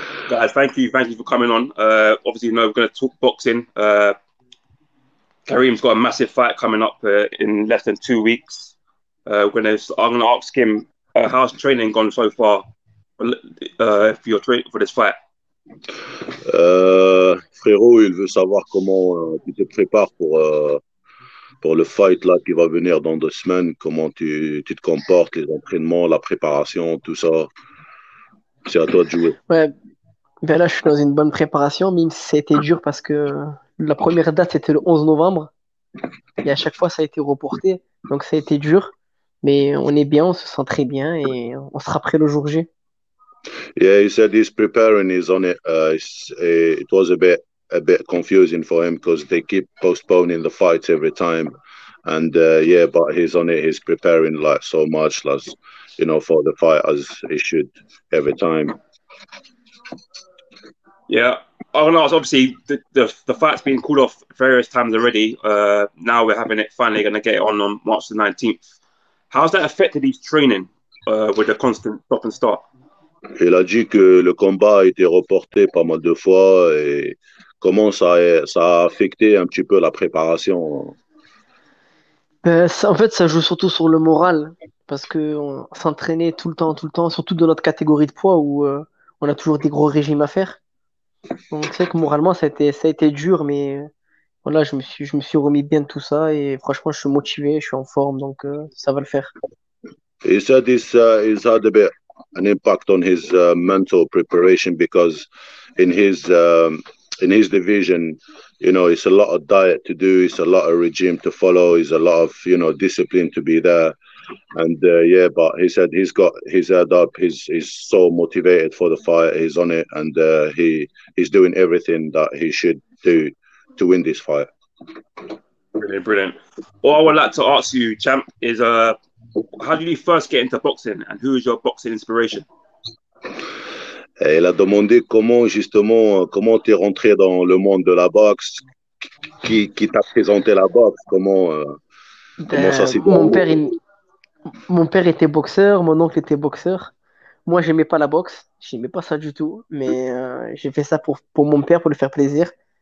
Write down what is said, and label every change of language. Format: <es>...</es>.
<en>Guys, thank you. Thank you for coming on. Obviously, you know, we're going to talk boxing. Karim's got a massive fight coming up in less than 2 weeks. I'm going to ask him, how's training gone so far for your training for this fight?</en> <fr>Frérot, il veut savoir comment tu te prépares pour le fight là qui va venir dans deux semaines. Comment tu te comportes, les entraînements, la préparation, tout ça. C'est à toi de jouer. Ouais, ben là je suis dans une bonne préparation, même si c'était dur parce que la première date c'était le 11 novembre et à chaque fois ça a été reporté, donc ça a été dur, mais on est bien, on se sent très bien et on sera prêt le jour J.</fr> <en>Yeah, he said he's preparing, he's on it. It was a bit confusing for him because they keep postponing the fights every time. And yeah, but he's on it, he's preparing like so much, like, you know, for the fight as he should every time. Yeah, I don't know, obviously the fight's been called off various times already. Now we're having it, finally going to get it on March the 19th. How's that affected his training with the constant stop and start?</en> <fr>Il a dit que le combat a été reporté pas mal de fois et comment ça a affecté un petit peu la préparation? En fait, ça joue surtout sur le moral parce qu'on s'entraînait tout le temps, surtout dans notre catégorie de poids où on a toujours des gros régimes à faire. Donc, c'est vrai que moralement, ça a été dur, mais voilà, je me suis remis bien de tout ça et franchement, je suis motivé, je suis en forme, donc ça va le faire. Il a dit ça, il a dit</fr> <en>an impact on his mental preparation because in his division, you know, it's a lot of diet to do, it's a lot of regime to follow, it's a lot of, you know, discipline to be there. And yeah, but he said he's got his head up, he's so motivated for the fight, he's on it, and he's doing everything that he should do to win this fight. Brilliant, brilliant. All I would like to ask you, champ, is how did you first get into boxing and who is your boxing inspiration?</en> <fr>Il a demandé comment tu es rentré dans le monde de la boxe, qui t'a présenté la boxe, comment ça s'est passé? Mon père était boxeur, mon oncle était boxeur. Moi, j'aimais pas la boxe, j'aimais pas ça du tout, mais j'ai fait ça pour mon père, pour le faire plaisir.</fr>